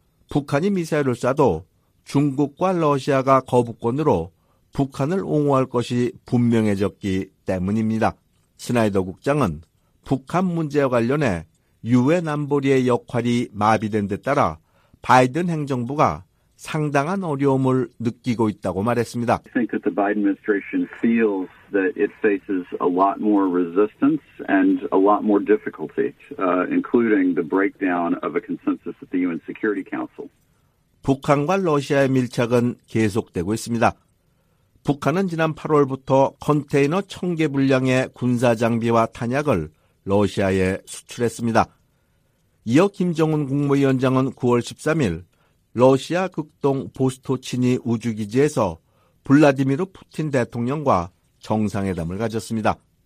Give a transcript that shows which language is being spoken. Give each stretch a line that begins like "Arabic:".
Korean: 북한이 미사일을 쏴도 중국과 러시아가 거부권으로 북한을 옹호할 것이 분명해졌기 때문입니다. 스나이더 국장은 북한 문제와 관련해 유엔 안보리의 역할이 마비된 데 따라 바이든 행정부가 상당한 어려움을 느끼고 있다고 말했습니다.
English: I think that the Biden administration feels that it faces a lot more resistance and a lot more difficulty, including the breakdown of a consensus at the UN Security Council.
Korean: 북한과 러시아의 밀착은 계속되고 있습니다. 북한은 지난 8월부터 컨테이너 1,000개 분량의 군사 장비와 탄약을 러시아에 수출했습니다. 이어 김정은 국무위원장은 9월 13일 러시아 극동 보스토치니 우주기지에서 블라디미르 푸틴 대통령과 정상회담을 가졌습니다.